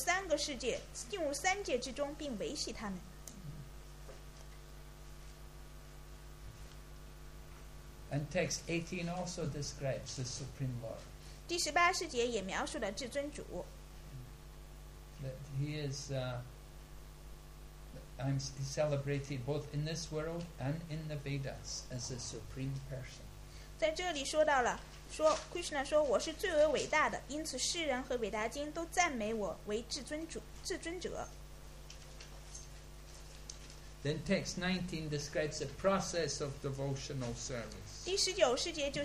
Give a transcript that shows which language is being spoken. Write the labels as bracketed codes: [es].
[zh] 在这里说到了至尊主本人进入三个世界，进入三界之中，并维系他们。 [en] And text 18 also describes the Supreme Lord. [zh] 第十八世节也描述了至尊主。 [en] That he is celebrated both in this world and in the Vedas as the Supreme Person. [zh] 在这里说到了，说 Krishna 说我是最为伟大的，因此世人和伟大经都赞美我为至尊主至尊者。 [en] Then text 19 describes the process of devotional service.